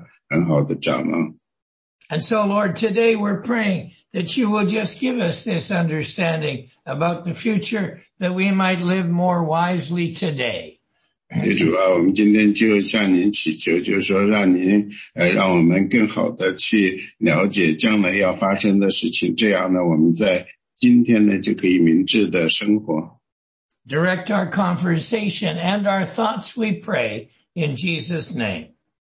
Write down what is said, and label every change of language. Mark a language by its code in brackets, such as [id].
[zh] 也主啊,我们就是非常感恩您不光是说让我们今天有很好的理解,也让我们对过去有一个清晰的了解,对将来呢更是有一个很好的展望。 [en] And so, Lord, today we're praying that you will just give us this understanding about the future that we might live more wisely today. [zh] 主啊,我们今天就向您祈求,就是说让您,让我们更好地去了解将来要发生的事情,这样呢,我们在今天呢,就可以明智地生活。 [en] Direct our conversation and our thoughts, we pray, in Jesus' name.